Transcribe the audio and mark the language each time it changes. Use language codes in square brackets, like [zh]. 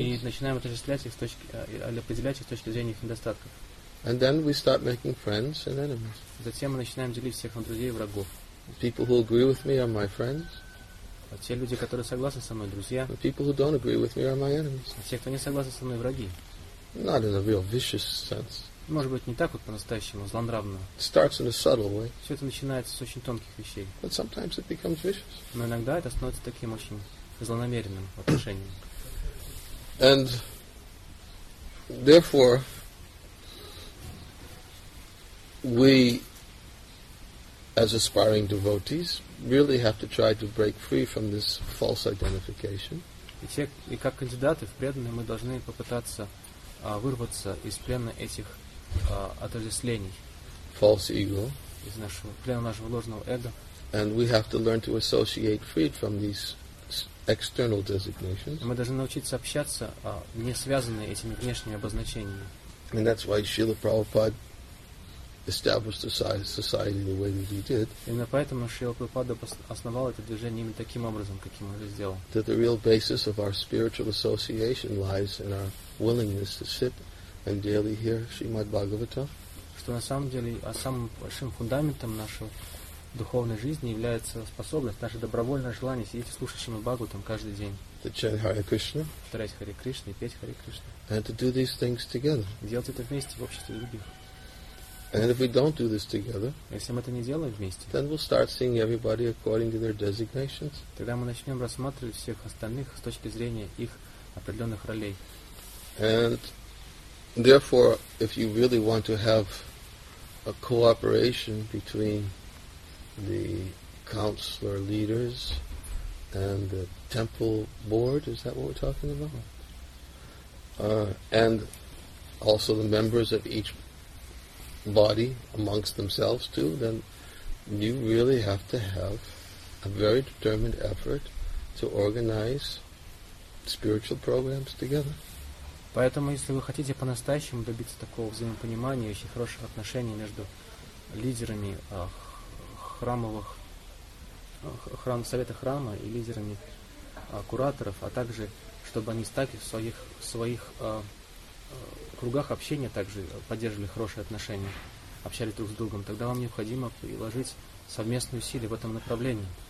[ru] И начинаем отождествлять их с точки или определять их с точки зрения их недостатков. [en] And then we start making friends and enemies. [ru] Затем мы начинаем делить всех на друзей и врагов. [en] People who agree with me are my friends. [ru] Те люди, которые согласны со мной, друзья. [en] The people who don't agree with me are my enemies. [ru] Те, кто не согласны со мной, враги. [en] Not in a real vicious sense. [ru] Может быть, не так вот по-настоящему, злонравно. [en] It starts in a subtle way. [ru] Все это начинается с очень тонких вещей. [en] But sometimes it becomes vicious. [ru] Но иногда это становится таким очень злонамеренным отношением. [en] And therefore we as aspiring devotees really have to try to break free from this false identification. [ru] И как кандидаты в преданные мы должны попытаться вырваться из плена этих отождествлений. [en] False ego. [ru] из нашего, плена нашего ложного эго. [en] And we have to learn to associate freed from these external designations. [ru] Мы должны научиться общаться, не связанные этими внешними обозначениями. [en] And that's why Srila Prabhupada established the society the way that he did. [ru] Именно поэтому Шрила Прабхупада основал это движение именно таким образом, каким он это сделал. [en] That the real basis of our spiritual association lies in our willingness to sit and daily hear Srimad Bhagavatam. [ru] Что на самом деле самым большим фундаментом нашего духовной жизни является способность, наше добровольное желание сидеть и слушать Шримад Бхагаватам каждый день. [en] To chant Hare Krishna. [ru] Повторять Харе Кришну и петь Харе Кришну. [en] And to do these things together. [ru] Делать это вместе в обществе других. [en] And if we don't do this together, [ru] если мы это не делаем вместе, [en] then we'll start seeing everybody according to their designations. [ru] Тогда мы начнем рассматривать всех остальных с точки зрения их определенных ролей. [en] And therefore, if you really want to have a cooperation between the counselor leaders and the temple board, is that what we're talking about? And also the members of each body amongst themselves too, then you really have to have a very determined effort to organize spiritual programs together. [ru] Поэтому, если вы хотите по-настоящему добиться такого взаимопонимания, очень хороших отношений между лидерами храмовых, совета храма и лидерами кураторов, а также чтобы они так и в своих, кругах общения также поддерживали хорошие отношения, общались друг с другом, тогда вам необходимо приложить совместные усилия в этом направлении.